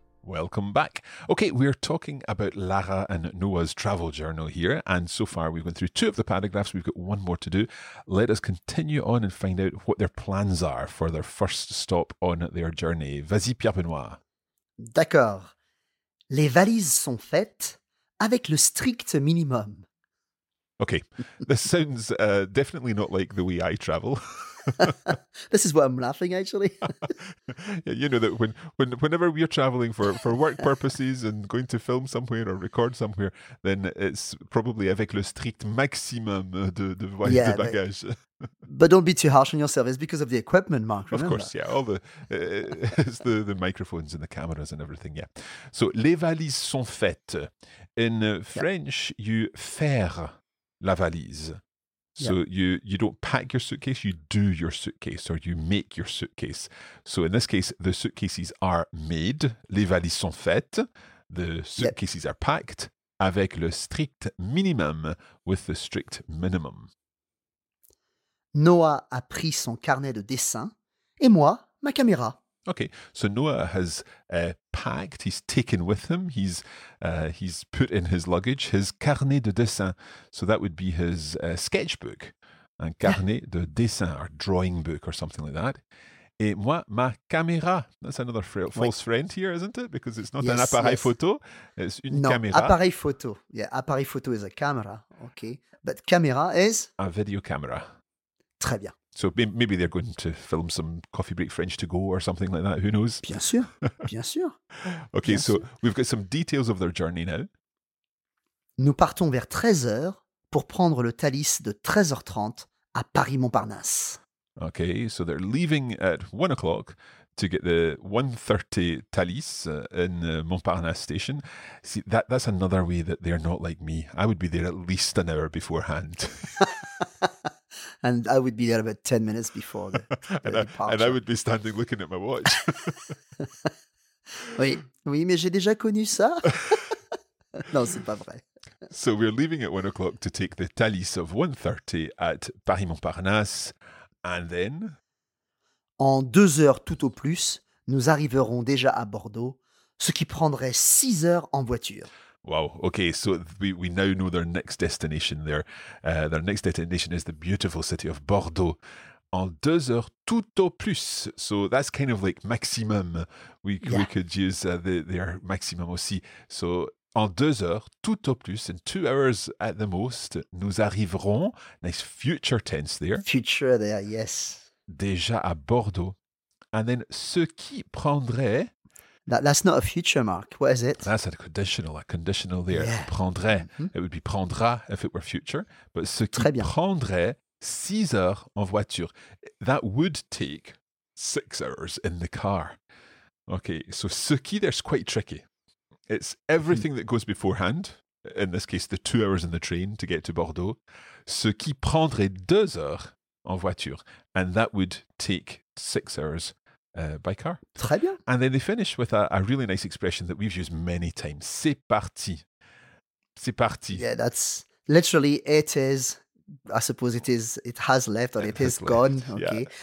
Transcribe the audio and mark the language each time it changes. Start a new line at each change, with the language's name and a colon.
English: Well, welcome back. Okay, we're talking about Lara and Noah's travel journal here. And so far, we've gone through two of the paragraphs. We've got one more to do. Let us continue on and find out what their plans are for their first stop on their journey.
French: Vas-y, Pierre Benoît. D'accord. Les valises sont faites avec le strict minimum.
English: Okay, this sounds definitely not like the way I travel. This is why I'm laughing, actually. Yeah, you know that whenever we are traveling for work purposes and going to film somewhere or record somewhere, then it's probably
French: avec le strict maximum de valise de bagage.
English: But don't be too harsh on yourself. It's because of the equipment, Mark, remember? Of course, yeah. All the it's the microphones and the cameras and everything, yeah.
French: So, les valises sont faites.
English: In French, you
French: faire la valise.
English: So you don't pack your suitcase, you do your suitcase or you make your suitcase. So in this case, the suitcases are made,
French: les valises sont faites,
English: the suitcases are packed,
French: avec le strict minimum,
English: with the strict minimum.
French: Noah a pris son carnet de dessin et moi, ma caméra.
English: Okay, so Noah has packed, he's taken with him, he's put in his luggage, his
French: carnet de dessin.
English: So that would be his sketchbook,
French: un carnet de dessin,
English: or drawing book, or something like that.
French: Et moi, ma caméra.
English: That's another false friend here, isn't it? Because it's not an appareil photo, it's une caméra.
French: Appareil photo.
English: Yeah, appareil photo is a camera, okay. But camera is? A video camera.
French: Très bien.
English: So maybe they're going to film some Coffee Break French to go or something like that. Who knows?
French: Bien sûr, bien sûr. Okay, bien so sûr.
English: We've got some details of their journey now.
French: Nous partons vers 13h pour prendre le Thalys de 13h30 à Paris-Montparnasse.
English: Okay, so they're leaving at 1 o'clock to get the 1:30 Thalys in Montparnasse station. See, that's another way that they're not like me. I would be there at least an hour beforehand. And I would be there about 10 minutes before the departure. And I would be standing looking at my watch.
French: Oui, oui, mais j'ai déjà connu ça. Non, c'est pas vrai.
English: So we're leaving at 1 o'clock to take the Thalys of 1:30 at Paris-Montparnasse. And then?
French: En 2 heures tout au plus, nous arriverons déjà à Bordeaux, ce qui prendrait 6 heures en voiture.
English: Wow. Okay, so we now know their next destination there. Their next destination is the beautiful city of Bordeaux.
French: En 2 heures tout au plus.
English: So that's kind of like maximum. We could use their maximum aussi. So
French: en 2 heures tout au plus,
English: in 2 hours at the most,
French: nous arriverons,
English: nice future tense there. Future there, yes.
French: Déjà à Bordeaux. And then ce qui prendrait...
English: That's not a future, Mark. What is it? That's a conditional there. Yeah. Prendrait. Mm-hmm. It would be prendra if it were future.
French: But ce qui prendrait 6 heures en voiture.
English: That would take 6 hours in the car. Okay, so ce qui there is quite tricky. It's everything that goes beforehand. In this case, the 2 hours in the train to get to Bordeaux.
French: Ce qui prendrait 2 heures en voiture.
English: And that would take 6 hours. By car.
French: Très bien.
English: And then they finish with a really nice expression that we've used many times.
French: C'est parti. C'est parti.
English: Yeah, that's literally it is, I suppose it has left or it has gone. Left. Okay. Yeah.